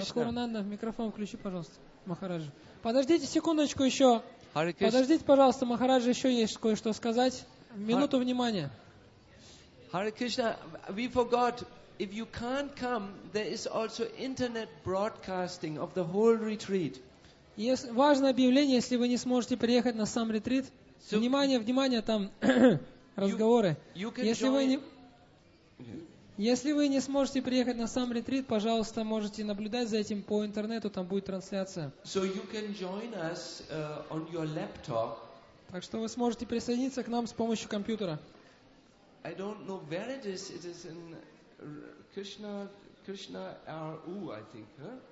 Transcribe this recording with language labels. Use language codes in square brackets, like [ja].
[ru] Бхактивинода, микрофон включи, пожалуйста, Махараджи. Подождите секундочку еще. Подождите, пожалуйста, Махараджи, еще есть кое-что сказать. Минуту внимания. [en] Hare Krishna, we forgot if you can't come, there is also internet broadcasting of the whole retreat. [ru] Есть важное объявление, если вы не сможете приехать на сам ретрит. So внимание, внимание, там разговоры. Если вы не сможете приехать на сам ретрит, пожалуйста, можете наблюдать за этим по интернету, там будет трансляция. [en] So you can join us, on your laptop. [ru] Так что вы сможете присоединиться к нам с помощью компьютера. [en] I don't know where it is. It is in Krishna RU, I think, huh?